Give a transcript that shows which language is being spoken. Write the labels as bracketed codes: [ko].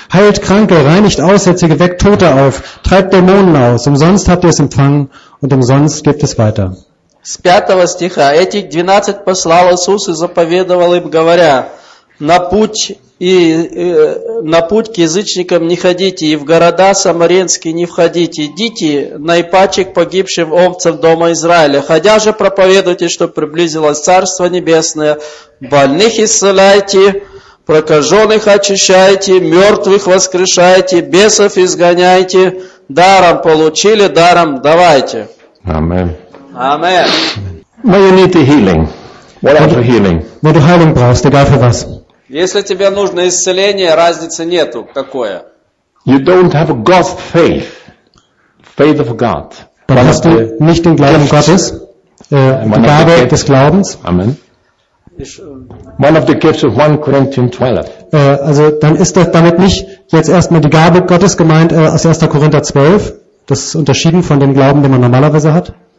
[de] Heilt Kranke, reinigt Aussätzige, weckt Tote auf, treibt Dämonen aus. Umsonst habt ihr es empfangen und umsonst gebt es weiter. [ru] С 5 стиха этих 12 послал Иисус и заповедовал им, говоря, на путь к язычникам не ходите, и в города самаринские не входите, идите наипаче к погибшим овцам дома Израиля, ходя же проповедуйте, что приблизилось Царство Небесное, больных исцеляйте, прокаженных очищайте, мертвых воскрешайте, бесов изгоняйте, даром получили, даром давайте. Аминь. [en] Amen. Well, you need the healing. What about healing? [de] Wenn du Heilung brauchst, egal für was. [ru] Если тебе нужно исцеление, разницы нету, какое. [en] You don't have a God's faith. Faith of God. [de] Dann hast du nicht den Glauben Gottes, die Gabe des Glaubens. [en] Amen. One of the gifts of 1 Corinthians 12. [de] Also dann ist das damit nicht jetzt erstmal die Gabe Gottes gemeint aus 1. Korinther 12, das ist unterschieden von dem Glauben, den man normalerweise hat.